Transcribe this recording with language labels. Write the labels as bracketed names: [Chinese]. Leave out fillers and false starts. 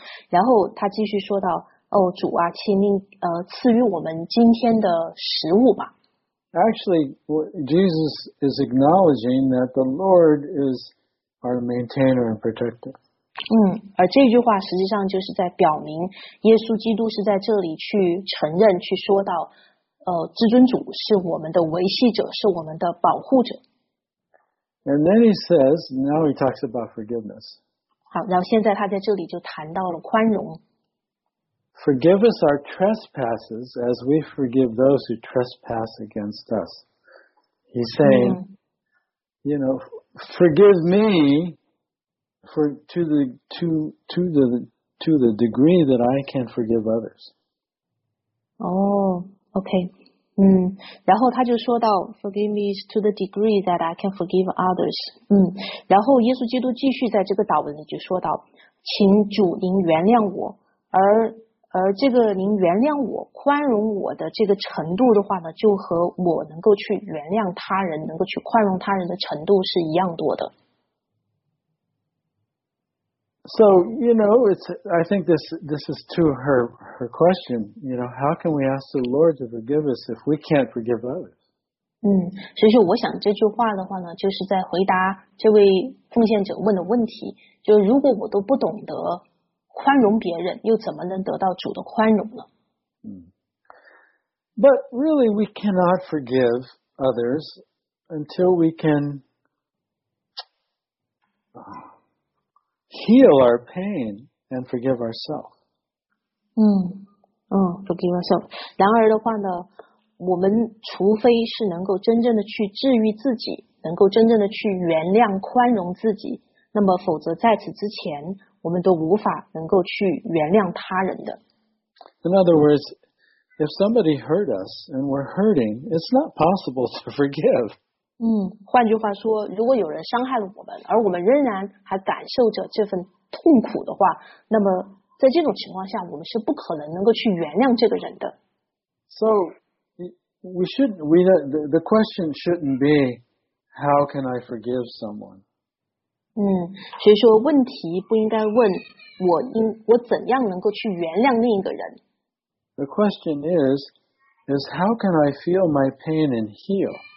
[Chinese] 然后他继续说到主啊，请您赐予我们今天的食物吧。 [English] Actually, Jesus is acknowledging that the Lord is our maintainer and protector. [Chinese] 而这句话实际上就是在表明，耶稣基督是在这里去承认，去说到，至尊主是我们的维系者，是我们的保护者。 [English] And then he says, now he talks about forgiveness. [Chinese] 好，然后现在他在这里就谈到了宽容。 [English] Forgive us our trespasses as we forgive those who trespass against us. He's saying, you know, forgive me to the degree that I can forgive others. Oh, okay. [Chinese] 然后他就说到 [English] forgive me to the degree that I can forgive others. [Chinese] 然后耶稣基督继续在这个祷文里就说到请主您原谅我而这个您原谅我宽容我的这个程度的话呢就和我能够去原谅他人能够去宽容他人的程度是一样多的。 [English] So, you know, I think this is to her question, you know, how can we ask the Lord to forgive us if we can't forgive others? [Chinese] 所以说我想这句话的话呢，就是在回答这位奉献者问的问题，就是如果我都不懂得宽容别人，又怎么能得到主的宽容呢？ [English] But really we cannot forgive others until we can heal our pain and forgive ourselves. Forgive ourselves. [Chinese] 然而的话呢，我们除非是能够真正的去治愈自己，能够真正的去原谅宽容自己，那么否则在此之前我们都无法能够去原谅他人的。 [English] In other words, if somebody hurt us and we're hurting, it's not possible to forgive. [Chinese] 换句话说，如果有人伤害了我们，而我们仍然还感受着这份痛苦的话，那么在这种情况下，我们是不可能能够去原谅这个人的。 [English] So we shouldn't, the question shouldn't be, how can I forgive someone? [Chinese] 所以说问题不应该问我怎样能够去原谅另一个人。 [English] The question is how can I feel my pain and heal?